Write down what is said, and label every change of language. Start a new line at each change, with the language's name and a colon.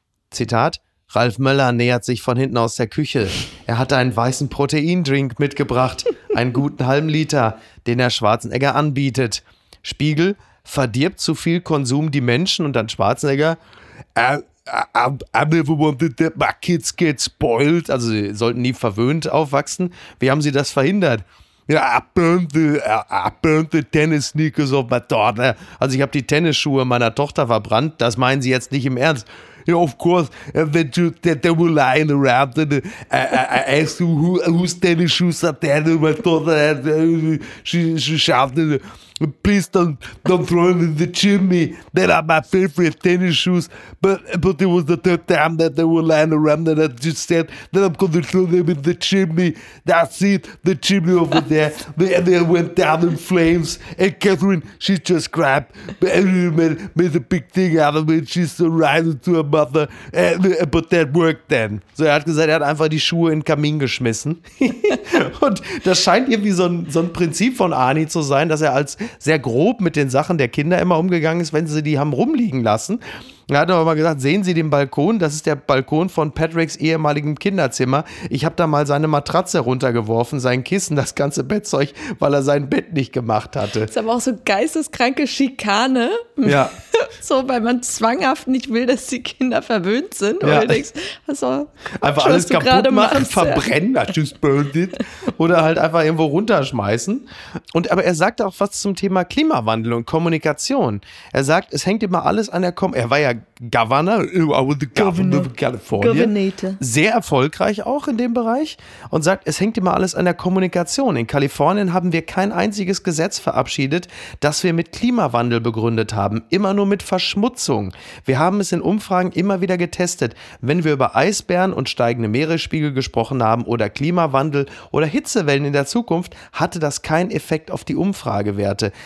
German: Zitat: Ralf Möller nähert sich von hinten aus der Küche. Er hat einen weißen Proteindrink mitgebracht, einen guten halben Liter, den er Schwarzenegger anbietet. Spiegel: verdirbt zu viel Konsum die Menschen? Und dann Schwarzenegger:
English: I never wanted that my kids get spoiled.
German: Also sie sollten nie verwöhnt aufwachsen. Wie haben sie das verhindert?
English: I burned the tennis sneakers of my daughter.
German: Also ich habe die Tennisschuhe meiner Tochter verbrannt. Das meinen sie jetzt nicht im Ernst.
English: Ja, of course, they were lying around and I asked whose tennis shoes are there, my daughter, she shouted, Please don't throw it in the chimney. They're not my favorite tennis shoes. But it was the third time that they were lying around and I just said that I'm going to throw them in the chimney. I see it, the chimney over there. They went down in flames. And Catherine, she just cried. But everyone made a big thing out of it. She's surrounded to her mother. But that worked then.
German: So er hat gesagt, er hat einfach die Schuhe in den Kamin geschmissen. Und das scheint irgendwie so ein Prinzip von Arnie zu sein, dass er als sehr grob mit den Sachen der Kinder immer umgegangen ist, wenn sie die haben rumliegen lassen. Er hat aber mal gesagt, sehen Sie den Balkon? Das ist der Balkon von Patricks ehemaligem Kinderzimmer. Ich habe da mal seine Matratze runtergeworfen, sein Kissen, das ganze Bettzeug, weil er sein Bett nicht gemacht hatte. Das ist aber auch so geisteskranke Schikane. Ja. So, weil man zwanghaft nicht will, dass die Kinder verwöhnt sind. Ja. Und denkst, also, einfach alles kaputt machen, verbrennen,
English: I just burned it.
German: Oder halt einfach irgendwo runterschmeißen. Und aber er sagt auch was zum Thema Klimawandel und Kommunikation. Er sagt, es hängt immer alles an der Kommunikation.
English: Ja, Governor, I was the governor of California. Governator.
German: Sehr erfolgreich auch in dem Bereich und sagt, es hängt immer alles an der Kommunikation. In Kalifornien haben wir kein einziges Gesetz verabschiedet, das wir mit Klimawandel begründet haben. Immer nur mit Verschmutzung. Wir haben es in Umfragen immer wieder getestet, wenn wir über Eisbären und steigende Meeresspiegel gesprochen haben oder Klimawandel oder Hitzewellen in der Zukunft, hatte das keinen Effekt auf die Umfragewerte.